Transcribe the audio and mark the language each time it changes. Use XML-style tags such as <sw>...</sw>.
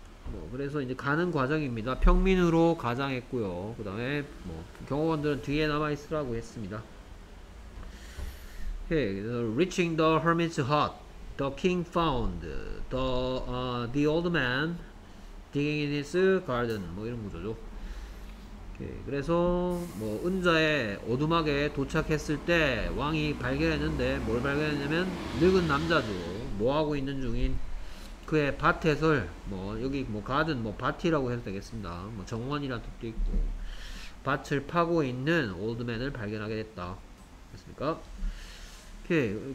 <ko>뭐 그래서 이제 가는 과정입니다. 평민으로 가장했고요. 그다음에 뭐 경호원들은 뒤에 남아 있으라고 했습니다.</ko> <en>Okay, reaching the hermit's hut, the king found the old man digging in his garden.</en> <ko>뭐 이런 구조죠. Okay, 그래서 뭐 은자의 오두막에 도착했을 때 왕이 발견했는데 뭘 발견했냐면 늙은 남자죠. 뭐 하고 있는 중인 그의 밭에서 뭐 여기 뭐 garden 뭐 밭이라고 해도 되겠습니다. 뭐 정원이라는 뜻도 있고 밭을 파고 있는 올드맨을 발견하게 됐다. 됐습니까? 오케이.</ko>